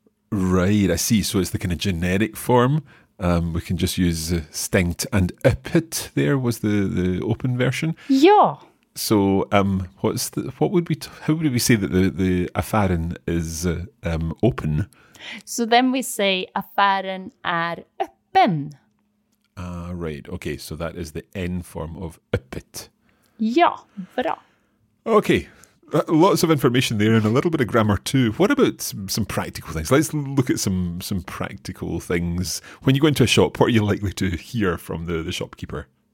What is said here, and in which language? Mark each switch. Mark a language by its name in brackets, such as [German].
[English] Right, I see. So it's the kind of generic form. We can just use stängt and öppet there was the open version. [Swedish] Ja. [English] So how would we say that the affären is open? So then we say [Swedish] affären är öppen. [English] Ah, right. Okay, so that is the N form of öppet. [Swedish] Ja, bra. [English] Okay, lots of information there and a little bit of grammar too. What about some practical things? Let's look at some practical things. When you go into a shop, what are you likely to hear from the shopkeeper?